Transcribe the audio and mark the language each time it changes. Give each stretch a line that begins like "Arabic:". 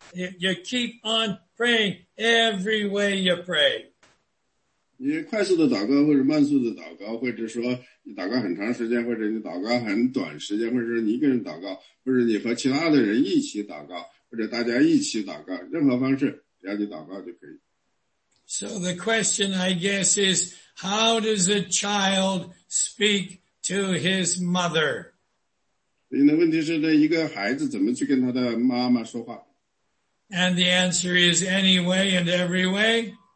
English: You keep on praying every way you pray.
Chinese: 你快速的祷告或者慢速的祷告，或者说你祷告很长时间，或者你祷告很短时间，或者说你一个人祷告，或者你和其他的人一起祷告，或者大家一起祷告，任何方式，只要你祷告就可以。So
English: the question I guess is, how does a child speak to his mother?
Chinese: 那问题是呢，一个孩子怎么去跟他的妈妈说话？
English: And the answer is any way and every way.